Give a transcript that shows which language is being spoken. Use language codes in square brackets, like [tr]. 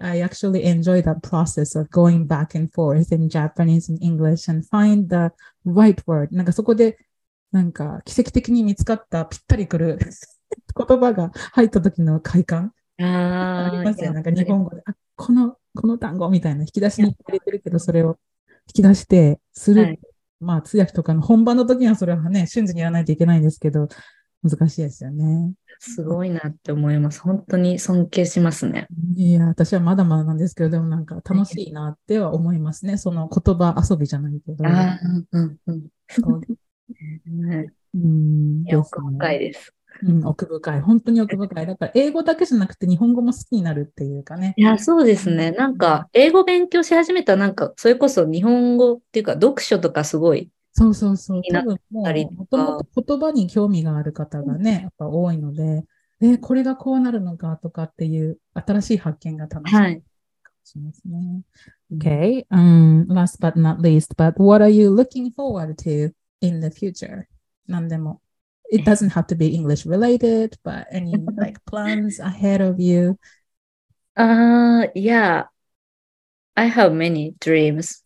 [en] I actually enjoy that process of going back and forth in Japanese and English and find the right word. [ja] なんかそこでなんか奇跡的に見つかったぴったりくる言葉が入った時の快感ありますよ。なんか日本語で、あ、この単語みたいな引き出しに入れてるけど、それを引き出してする、はい、まあ通訳とかの本番の時にはそれはね瞬時にやらないといけないんですけど、難しいですよね。すごいなって思います、本当に尊敬しますね。いや私はまだまだなんですけど、でもなんか楽しいなっては思いますね、はい、その言葉遊びじゃないけど、あ、うんうん、そうですね、奥深いです。うん、奥深い、本当に奥深い。だから英語だけじゃなくて日本語も好きになるっていうかね。いや、そうですね。なんか英語勉強し始めたら、なんかそれこそ日本語っていうか読書とかすごい。そうそうそう。多分もう元々言葉に興味がある方がね、やっぱ多いので、え、これがこうなるのかとかっていう新しい発見が楽しい。はい。しますね。Okay. [en] Last but not least, but what are you looking forward to in the future? [ja] 何でも。 [en] It doesn't have to be English related, but any like plans ahead of you? Yeah. I have many dreams.